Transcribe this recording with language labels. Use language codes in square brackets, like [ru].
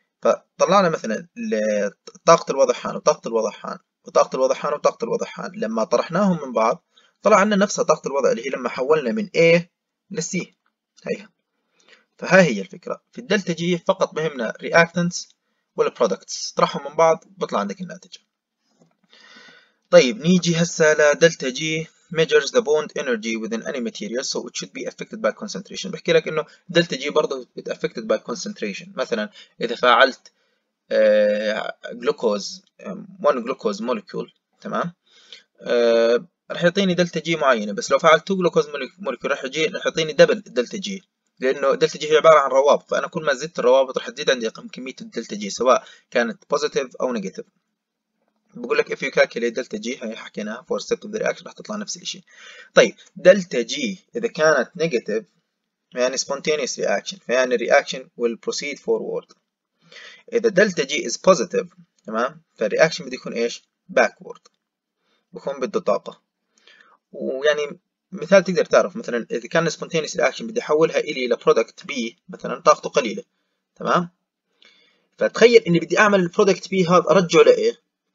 [ar] فطلعنا مثلا طاقة الوضع حان وطاقة الوضع حان وطاقة الوضع حان وطاقة الوضع حان، لما طرحناهم من بعض طلع عندنا نفسها طاقة الوضع اللي هي لما حولنا من A ل C. هيها فها هي الفكرة في الدلتا جي، فقط بهمنا رياكتنتس والبرودكتس، طرحهم من بعض بطلع عندك الناتج. طيب نيجي هسه لدلتا جي [en] measures the bond energy within any material so it should be affected by concentration. [ar] بحكي لك انه دلتا جي برضه [en] it affected by concentration. [ar] مثلا اذا فعلت جلوكوز 1 جلوكوز مولكيول، تمام، راح يعطيني دلتا جي معينه. بس لو فعلت 2 جلوكوز مولكيول راح يعطيني دبل دلتا جي، لانه دلتا جي هي عباره عن روابط، فانا كل ما زدت الروابط راح تزيد عندي كميه الدلتا جي سواء كانت بوزيتيف او نيجاتيف. بقول لك [en] if you calculate delta G، [ar] هي حكيناها [en] for step of the reaction [ar] راح تطلع نفس الشيء. طيب [en] delta G [ar] إذا كانت [en] negative يعني spontaneous reaction، [ar] فيعني [en] reaction will proceed forward. [ar] إذا [en] delta G is positive، [ar] تمام، فالreaction بده يكون إيش؟ backward، بكون بده طاقة. ويعني مثال تقدر تعرف مثلا إذا كان spontaneous reaction بدي أحولها إلي إلى product B مثلا طاقته قليلة، تمام، فتخيل إني بدي أعمل product B هذا أرجعه لإيه؟